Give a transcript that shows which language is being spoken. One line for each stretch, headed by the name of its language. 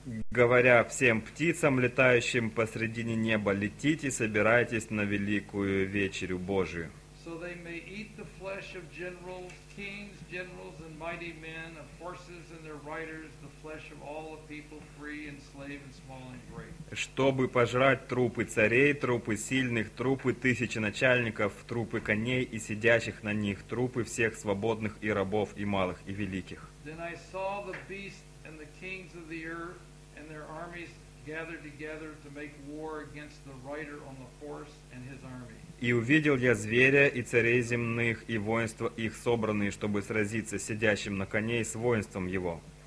Russian: говоря всем птицам, летающим посредине неба, летите, собирайтесь на великую вечерю Божию.
English: So they may eat the flesh of generals, kings, generals, and mighty men, of horses and their riders, the flesh of all the people, free and slave and small and great.
Russian: Чтобы пожрать трупы царей, трупы сильных, трупы тысяч начальников, трупы коней и сидящих на них, трупы всех свободных и рабов и малых и великих.
English: Then I saw the beast and the kings of the earth and their armies gathered together to make war against the rider on the horse and his army.
Russian: И увидел я зверя и царей земных, и воинства их собранные, чтобы сразиться с сидящим на коне и с воинством его.